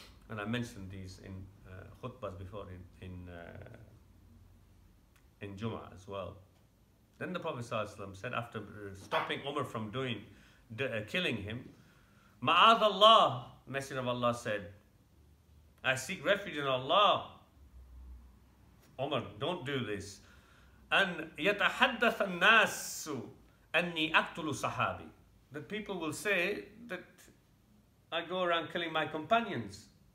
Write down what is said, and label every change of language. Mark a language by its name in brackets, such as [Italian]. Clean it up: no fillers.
[English] And I mentioned these in khutbahs before in Jum'ah as well. Then the Prophet ﷺ said, after stopping Umar from doing killing him, Ma'ad Allah, Messenger of Allah said, I seek refuge in Allah. Umar, don't do this. [Arabic] And يتحدث الناس أني أقتل صحابي. [English] The people will say that I go around killing my companions.